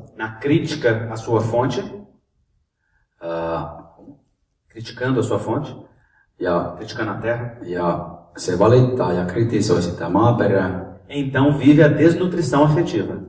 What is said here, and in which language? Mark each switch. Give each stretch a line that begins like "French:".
Portuguese: na crítica a sua fonte, criticando a sua fonte,
Finnish: ja
Portuguese: criticando a terra,
Finnish: ja se valittaa ja kritisoi sitä maaperää,
Portuguese: então vive a desnutrição afetiva.